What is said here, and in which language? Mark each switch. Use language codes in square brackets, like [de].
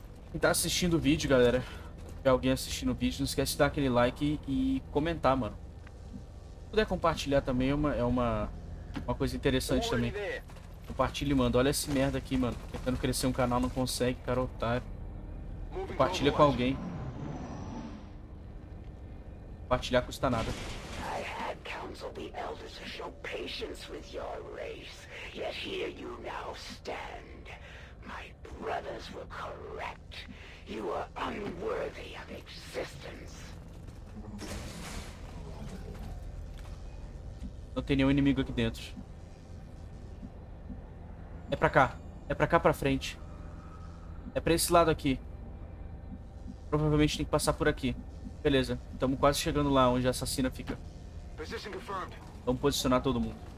[pt] Quem tá assistindo o vídeo, galera, se alguém assistindo o vídeo, não esquece de dar aquele like e comentar, mano. Se puder compartilhar também, é uma coisa interessante também. Compartilha e manda. Olha esse merda aqui, mano. Tentando crescer um canal, não consegue, cara, otário. Compartilha com alguém. Compartilhar custa nada. [en] I had counsel the elders to show patience with your race. Yet here you now stand. My brothers were correct. You are unworthy of existence. [pt] Não tem nenhum inimigo aqui dentro. É pra cá. É pra cá pra frente. É pra esse lado aqui. Provavelmente tem que passar por aqui. Beleza, estamos quase chegando lá onde a assassina fica. Vamos posicionar todo mundo.